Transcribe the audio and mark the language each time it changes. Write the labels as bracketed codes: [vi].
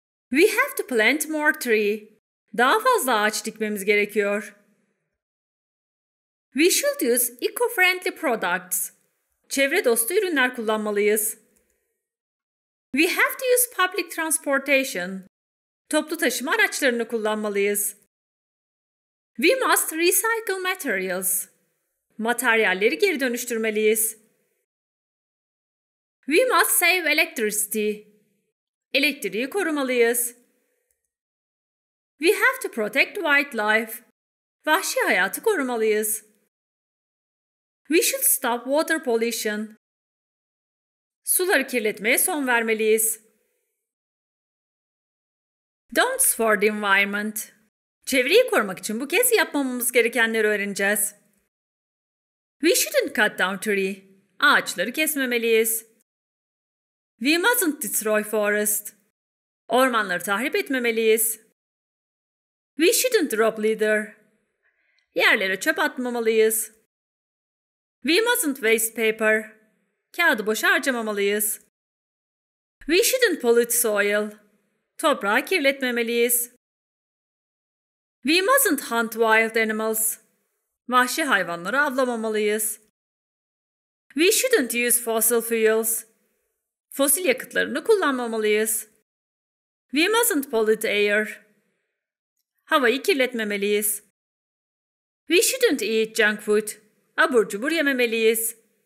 [en] We have to plant more tree. [tr] Daha fazla ağaç dikmemiz gerekiyor. [en] We should use eco-friendly products. [tr] Çevre dostu ürünler kullanmalıyız. [en] We have to use public transportation. [tr] Toplu taşıma araçlarını kullanmalıyız. [en] We must recycle materials. [tr] Materyalleri geri dönüştürmeliyiz. [en] We must save electricity. [tr] Elektriği korumalıyız. [en] We have to protect wildlife. [tr] Vahşi hayatı korumalıyız. [en] We should stop water pollution. [tr] Suları kirletmeye son vermeliyiz. [en] Don'ts for the environment. [tr] Çevreyi korumak için bu kez yapmamamız gerekenleri öğreneceğiz. [en] We shouldn't cut down tree. [tr] Ağaçları kesmemeliyiz. [en] We mustn't destroy forest. [tr] Ormanları tahrip etmemeliyiz. [en] We shouldn't drop litter. [tr] Yerlere çöp atmamalıyız. [en] We mustn't waste paper. [tr] Kağıdı boşa harcamamalıyız. [en] We shouldn't pollute soil. [tr] Toprağı kirletmemeliyiz. [en] We mustn't hunt wild animals. [tr] Vahşi hayvanları avlamamalıyız. [en] We shouldn't use fossil fuels. [tr] Fosil yakıtlarını kullanmamalıyız. [en] We mustn't pollute air. [tr] Havayı kirletmemeliyiz. [en] We shouldn't eat junk food. [tr] Abur cubur yememeliyiz.